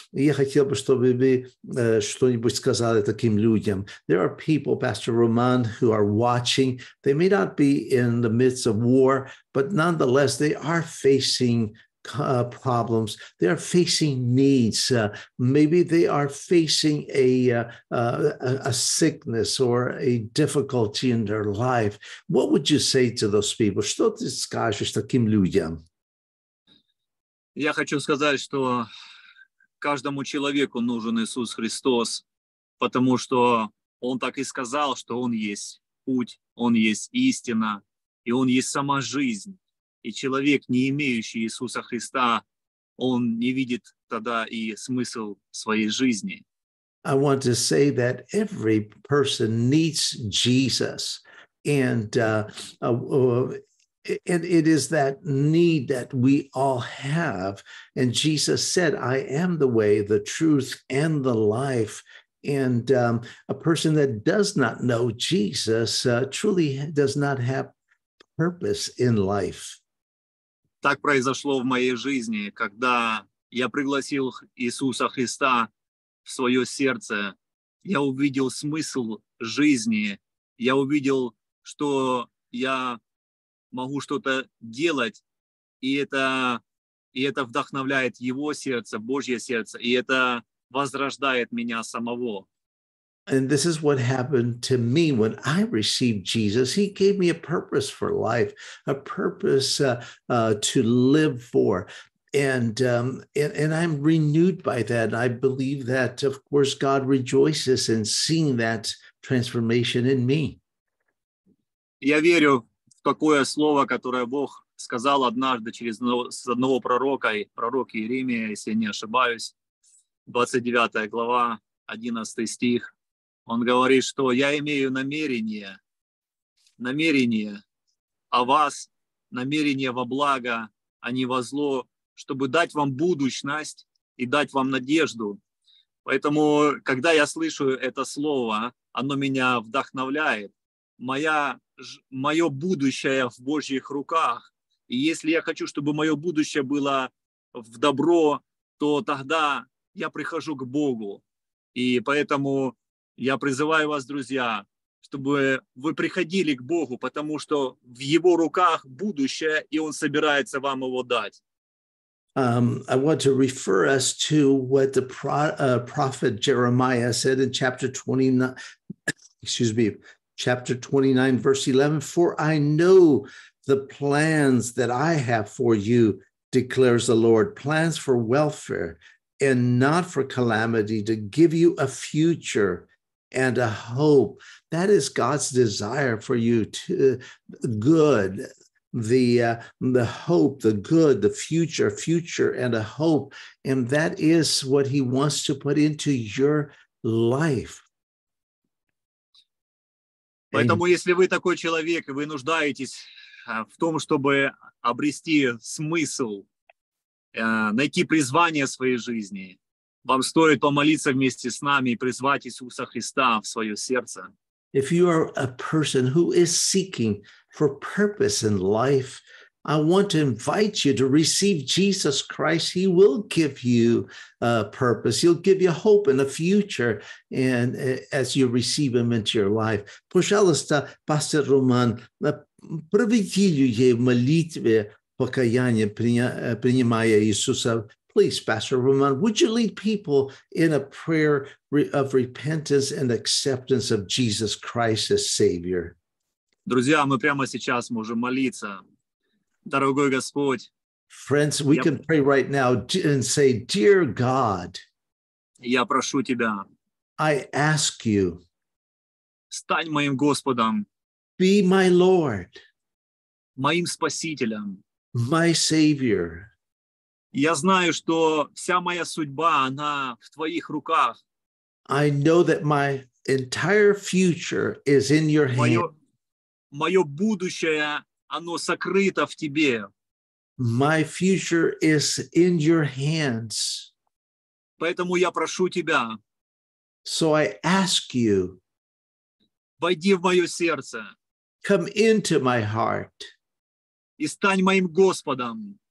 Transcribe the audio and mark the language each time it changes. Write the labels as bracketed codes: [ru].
[ru] И я хотел бы, чтобы вы что-нибудь сказали таким людям. [en] There are people, Pastor Roman, who are watching. They may not be in the midst of war, but nonetheless, they are facing problems. They are facing needs. Maybe they are facing a sickness or a difficulty in their life. What would you say to those people? [ru] Что ты скажешь таким людям? Я хочу сказать, что каждому человеку нужен Иисус Христос, потому что Он так и сказал, что Он есть путь, Он есть истина, и Он есть сама жизнь. И человек, не имеющий Иисуса Христа, он не видит тогда и смысл своей жизни. [en] I want to say that every person needs Jesus. And it is that need that we all have. And Jesus said, I am the way, the truth, and the life. And a person that does not know Jesus truly does not have purpose in life. [ru] Так произошло в моей жизни, когда я пригласил Иисуса Христа в свое сердце. Я увидел смысл жизни. Я увидел, что я могу что-то делать, и это вдохновляет Его сердце, Божье сердце, и это возрождает меня самого. [en] And this is what happened to me when I received Jesus. He gave me a purpose for life, a purpose to live for. And I'm renewed by that. I believe that, of course, God rejoices in seeing that transformation in me. [ru] Я верю, такое слово, которое Бог сказал однажды через одного пророка, пророк Иеремия, если я не ошибаюсь, 29 глава, 11 стих. Он говорит, что я имею намерение о вас, намерение во благо, а не во зло, чтобы дать вам будущность и дать вам надежду. Поэтому, когда я слышу это слово, оно меня вдохновляет. Мое будущее в Божьих руках. И если я хочу, чтобы мое будущее было в добро, то тогда я прихожу к Богу. И поэтому я призываю вас, друзья, чтобы вы приходили к Богу, потому что в Его руках будущее, и Он собирается вам его дать. [en] I want to refer us to what the prophet Jeremiah said in chapter 29, verse 11. For I know the plans that I have for you, declares the Lord, plans for welfare and not for calamity, to give you a future and a hope. That is God's desire for you, to good. The hope, the good, the future and a hope. And that is what he wants to put into your life. [ru] Поэтому, если вы такой человек, и вы нуждаетесь в том, чтобы обрести смысл, найти призвание в своей жизни, вам стоит помолиться вместе с нами и призвать Иисуса Христа в свое сердце. [en] If you are a person who is seeking for purpose in life, I want to invite you to receive Jesus Christ. He will give you a purpose. He'll give you hope in the future. And as you receive him into your life, [ru] пожалуйста, пастор Роман, проведи людей в молитве покаяния, принимая Иисуса. [en] Please, Pastor Roman, would you lead people in a prayer of repentance and acceptance of Jesus Christ as Savior? [ru] Друзья, мы прямо сейчас можем молиться. Дорогой Господь. [en] Friends, we can pray right now and say, Dear God. [ru] Я прошу тебя. [en] I ask you. [ru] Стань моим Господом. [en] Be my Lord. [ru] Моим Спасителем. [en] My Savior. [ru] Я знаю, что вся моя судьба, она в твоих руках. [en] I know that my entire future is in your hand. [ru] Мое будущее, оно сокрыто в тебе. [en] My future is in your hands. [ru] Поэтому я прошу тебя. [en] So I ask you. [ru] Войди в мое сердце. [en] Come into my heart. [ru] И стань моим Господом.